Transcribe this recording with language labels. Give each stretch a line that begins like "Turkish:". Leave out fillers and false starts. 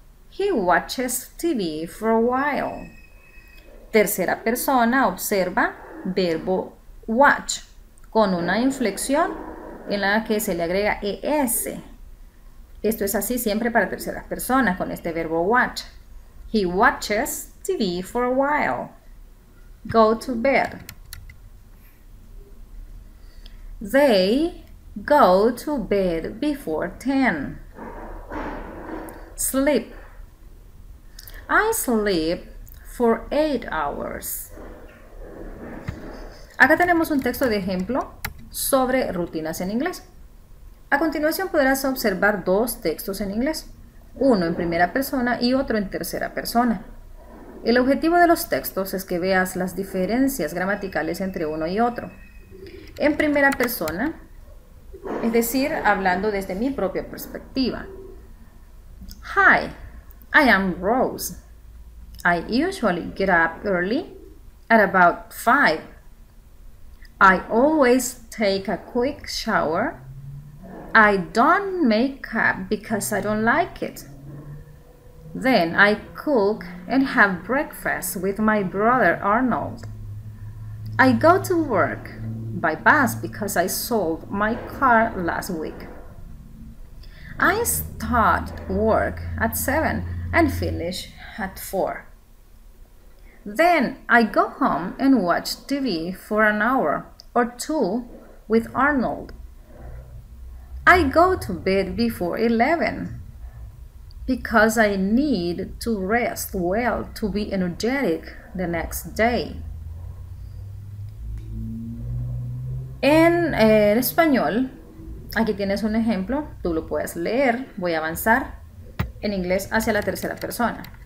English: He watches TV for a while.
Spanish: Tercera persona observa verbo watch con una inflexión en la que se le agrega es. Esto es así siempre para terceras personas con este verbo watch.
English: He watches TV for a while. Go to bed. They go to bed before 10. Sleep. I sleep for 8 hours.
Spanish: Acá tenemos un texto de ejemplo sobre rutinas en inglés. A continuación podrás observar dos textos en inglés, uno en primera persona y otro en tercera persona. El objetivo de los textos es que veas las diferencias gramaticales entre uno y otro. En primera persona, es decir, hablando desde mi propia perspectiva.
English: Hi, I am Rose. I usually get up early at about 5. I always take a quick shower. I don't make up because I don't like it. Then I cook and have breakfast with my brother Arnold. I go to work by bus because I sold my car last week. I start work at 7 and finish at 4. Then I go home and watch TV for an hour or two with Arnold. I go to bed before 11 because I need to rest well to be energetic the next day.
Spanish: En el español, aquí tienes un ejemplo, tú lo puedes leer, voy a avanzar en inglés hacia la tercera persona.